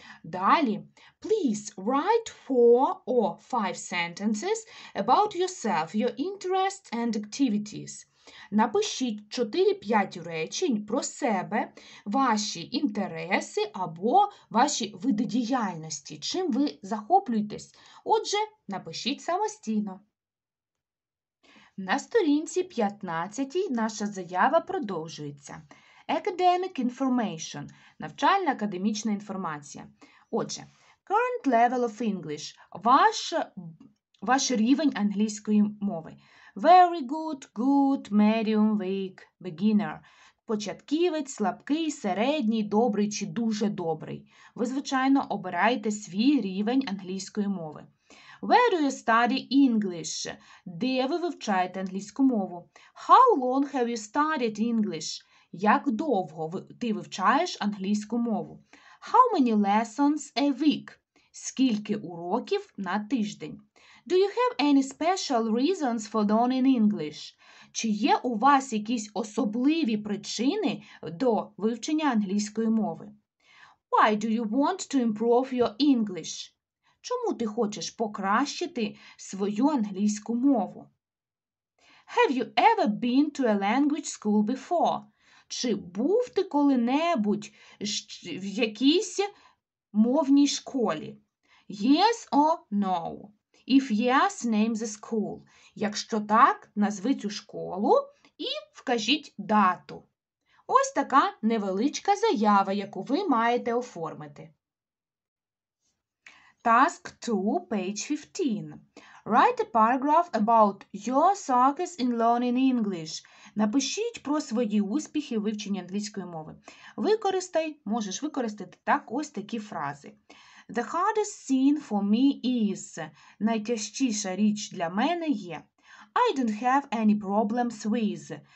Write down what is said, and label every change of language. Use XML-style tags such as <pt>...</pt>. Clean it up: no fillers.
<en>Далі, please write 4 or 5 sentences about yourself, your interests and activities.</en> <uk>Напишіть 4-5 речень про себе, ваші інтереси або ваші види діяльності, чим ви захоплюєтесь. Отже, напишіть самостійно. На сторінці 15 наша заява продовжується.</uk> <en>Academic information –</en> <uk>навчально-академічна інформація. Отже,</uk> <en>current level of English</en> <uk>– ваш рівень англійської мови.</uk> <en>Very good, good, medium, weak, beginner.</en> <uk>Початківець, слабкий, середній, добрий чи дуже добрий. Ви, звичайно, обираєте свій рівень англійської мови.</uk> <en>Where do you study English?</en> <uk>Де ви вивчаєте англійську мову?</uk> <en>How long have you studied English?</en> <uk>Як довго ти вивчаєш англійську мову?</uk> <en>How many lessons a week?</en> <uk>Скільки уроків на тиждень?</uk> <en>Do you have any special reasons for learning English?</en> <uk>Чи є у вас якісь особливі причини до вивчення англійської мови?</uk> <en>Why do you want to improve your English?</en> <uk>Чому ти хочеш покращити свою англійську мову?</uk> <en>Have you ever been to a language school before?</en> <uk>Чи був ти коли-небудь в якійсь мовній школі?</uk> <en>Yes or no? If yes, name the school.</en> <uk>Якщо так, назви цю школу і вкажіть дату. Ось така невеличка заява, яку ви маєте оформити.</uk> <en>Task 2, page 15. Write a paragraph about your success in learning English.</en> <uk>Напишіть про свої успіхи в вивченні англійської мови. Використай, можеш використати так, ось такі фрази.</uk> <en>The hardest thing for me is.</en> <uk>Найтяжчіша річ для мене є.</uk> <en>I don't have any problems with.</en>